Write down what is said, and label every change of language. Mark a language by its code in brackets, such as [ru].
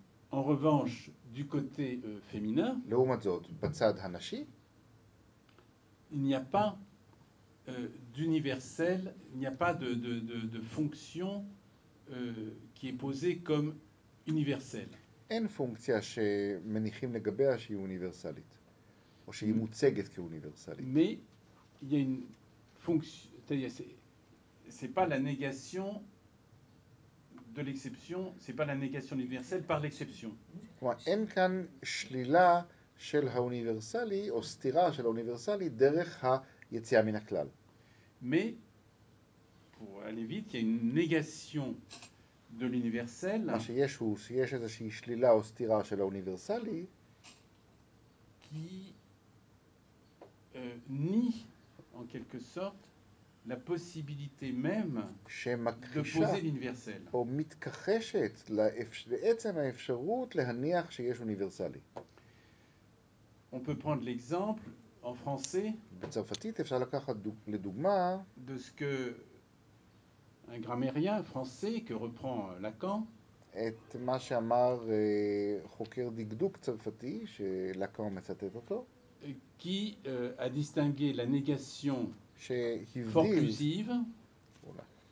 [fr] En revanche, du côté féminin, il n'y a pas d'universel, il n'y a pas de fonction qui est posée comme universelle. [he] אין פונקציה שמניחים לגביה שהיא אוניברסלית. או שהיא מוצגת כאוניברסלית. [fr] Mais il y a une fonction, c'est pas la négation de l'exception, c'est pas la négation universelle par l'exception. [he] אין כאן שלילה של האוניברסלי או סתירה של האוניברסלי דרך היציאה מן הכלל. [fr] Mais pour aller vite, il y a une négation de l'universel. [he] מה שיש הוא שיש איזושהי שלילה או סתירה של האוניברסלי [fr] כי nie en quelque sorte la possibilité même de poser l'universel. [he] או מתכחשת לעצם האפשרות להניח שיש אוניברסלי. [fr] On peut prendre l'exemple en français [he] בצרפתית אפשר לקחת לדוגמה [fr] de ce que un grammairien français que reprend Lacan [he] את מה שאמר חוקר דקדוק צרפתי שלקאן מצטט אותו [fr] qui a distingué la négation forclusive voilà.